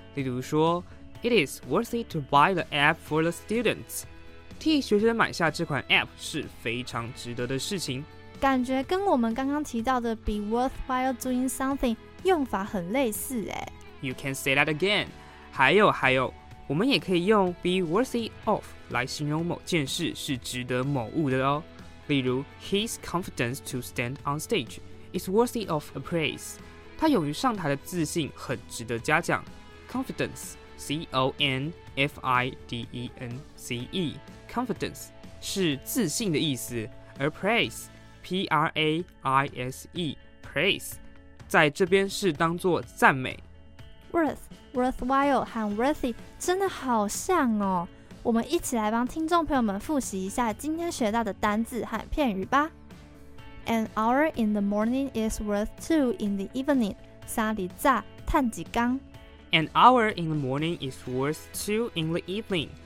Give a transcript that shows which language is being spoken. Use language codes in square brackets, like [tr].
[zh] 例如说 [en] ,It is worthy to buy the app for the students. [zh] 替学生买下这款 app 是非常值得的事情。感觉跟我们刚刚提到的 [en] be worthwhile doing something [zh] 用法很类似耶。 [en] You can say that again. [zh] 还有我们也可以用 be worthy of 来形容某件事是值得某物的哦。例如 [en] ,his confidence to stand on stage is worthy of a praise. [zh] 他勇于上台的自信很值得嘉奖。 Confidence, C-O-N-F-I-D-E-N-C-E, confidence, 是自信的意思，而 praise, P-R-A-I-S-E, praise, 在这边是当作赞美。 Worth, worthwhile 和 worthy 真的好像哦。我们一起来帮听众朋友们复习一下今天学到的单字和片语吧。 [en] An hour in the morning is worth two in the evening. 三里炸探几缸。 An hour in the morning is worth two in the evening.